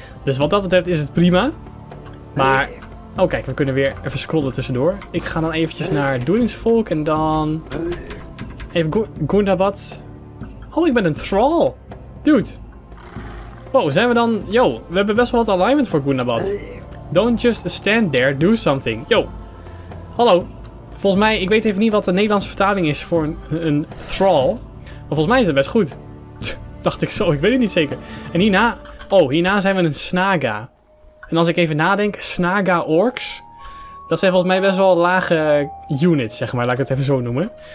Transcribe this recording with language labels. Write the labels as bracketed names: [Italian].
[Dutch] Dus wat dat betreft is het prima. Maar, oh kijk, we kunnen weer even scrollen tussendoor. Ik ga dan eventjes naar Doelingsvolk en dan... Even Gundabad. Oh, ik ben een Thrall. Dude. Wow, zijn we dan... Yo, we hebben best wel wat alignment voor Gundabad. [English] Don't just stand there, do something. [Dutch] Yo. Hallo. Volgens mij, ik weet even niet wat de Nederlandse vertaling is voor een Thrall. Maar volgens mij is het best goed. Dacht ik zo, ik weet het niet zeker. En hierna... Oh, hierna zijn we een Snaga. En als ik even nadenk, Snaga Orcs... Dat zijn volgens mij best wel lage units, zeg maar. Laat ik het even zo noemen.